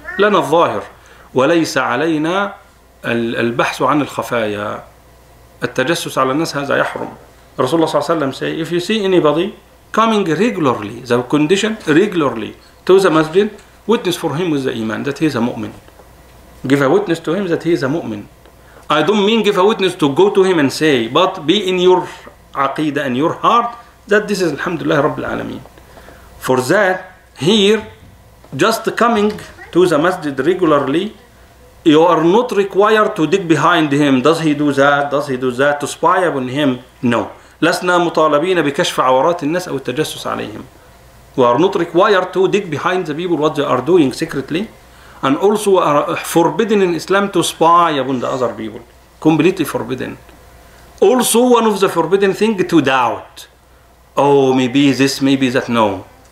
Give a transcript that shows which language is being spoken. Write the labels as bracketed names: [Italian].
[Arabic] لنا الظاهر, وليس علينا البحث عن الخفايا. التجسس على الناس هذا يحرم. [English] رسول الله [Arabic] صلى الله عليه وسلم [English] say if you see anybody coming regularly, the condition regularly to the masjid, witness for him with the iman that he is a mu'min. Give a witness to him that he is a mu'min. I don't mean give a witness to go to him and say, but be in your aqidah and your heart that this is alhamdulillah rabbil alameen. For that, here, just coming to the masjid regularly, you are not required to dig behind him. Does he do that? Does he do that? To spy upon him? No. [Arabic] لسنا مطالبين بكشف عورات الناس أو التجسس عليهم. [English] We are not required to dig behind the people what they are doing secretly. And also forbidden in Islam to spy upon the other people. Completely forbidden. Also one of the forbidden things to doubt. Oh, maybe this, maybe that. No.